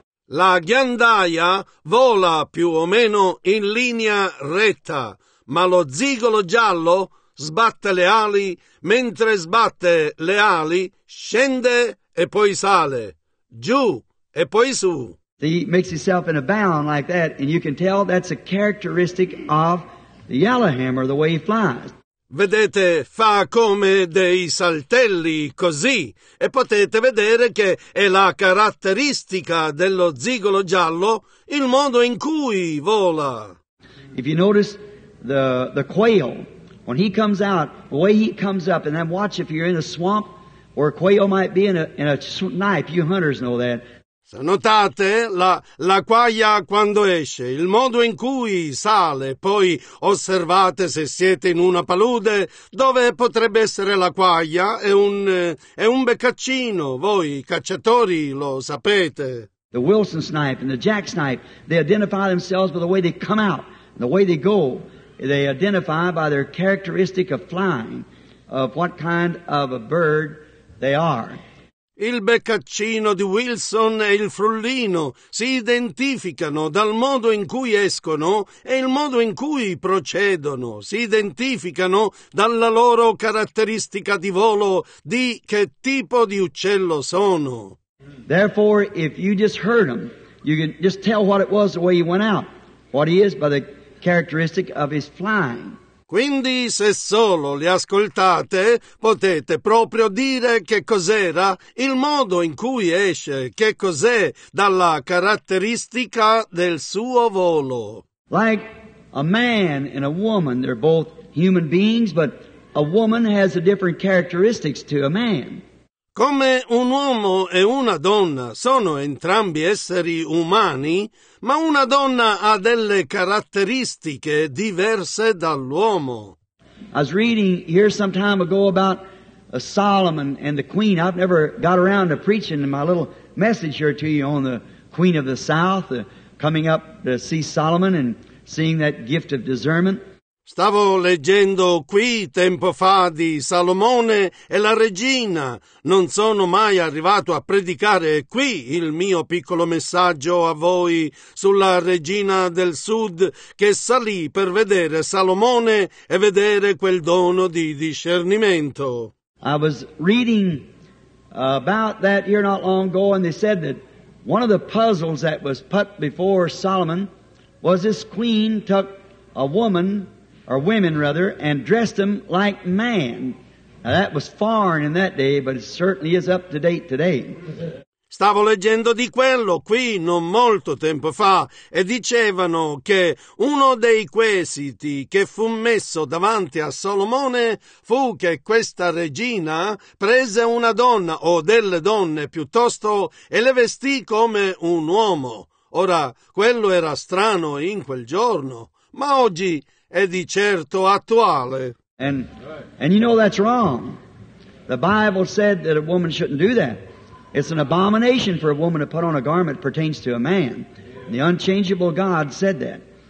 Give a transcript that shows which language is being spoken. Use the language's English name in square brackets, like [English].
[Italian] La ghiandaia vola più o meno in linea retta, ma lo zigolo giallo sbatte le ali, mentre sbatte le ali scende e poi sale, giù e poi su. [English] He makes himself in a bound like that, and you can tell that's a characteristic of the yellowhammer, the way he flies. [Italian] Vedete, fa come dei saltelli, così, e potete vedere che è la caratteristica dello zigolo giallo il modo in cui vola. [English] If you notice the quail, when he comes out, the way he comes up, and then watch if you're in a swamp where a quail might be in a knife, you hunters know that. [Italian] Se notate la quaglia quando esce, il modo in cui sale, poi osservate se siete in una palude dove potrebbe essere la quaglia, è un beccaccino, voi cacciatori lo sapete. [English] The Wilson snipe and the Jack snipe, they identify themselves by the way they come out, the way they go. They identify by their characteristic of flying, of what kind of a bird they are. [Italian] Il beccaccino di Wilson e il frullino si identificano dal modo in cui escono e il modo in cui procedono. Si identificano dalla loro caratteristica di volo, di che tipo di uccello sono. [English] Therefore, if you just heard him, you can just tell what it was the way he went out, what he is by the characteristic of his flying. [Italian] Quindi, se solo li ascoltate, potete proprio dire che cos'era il modo in cui esce, che cos'è dalla caratteristica del suo volo. [English] Like a man and a woman, they're both human beings, but a woman has a different characteristics to a man. [Italian] Come un uomo e una donna sono entrambi esseri umani, ma una donna ha delle caratteristiche diverse dall'uomo. [English] I was reading here some time ago about Solomon and the Queen. I've never got around to preaching my little message here to you on the Queen of the South, coming up to see Solomon and seeing that gift of discernment. [Italian] Stavo leggendo qui tempo fa di Salomone e la regina. Non sono mai arrivato a predicare qui il mio piccolo messaggio a voi sulla regina del sud che salì per vedere Salomone e vedere quel dono di discernimento. [English] I was reading about that here not long ago, and they said that one of the puzzles that was put before Solomon was this queen took a woman, or women rather, and dressed them like man. Now that was foreign in that day, but it certainly is up to date today. [Italian] Stavo leggendo di quello qui non molto tempo fa e dicevano che uno dei quesiti che fu messo davanti a Salomone fu che questa regina prese una donna o delle donne piuttosto e le vestì come un uomo. Ora, quello era strano in quel giorno, ma oggi è di certo attuale. [English] And you know that's wrong. The Bible said that a woman shouldn't do that. It's an abomination for a woman to put on a garment that pertains to a man. The unchangeable God said that.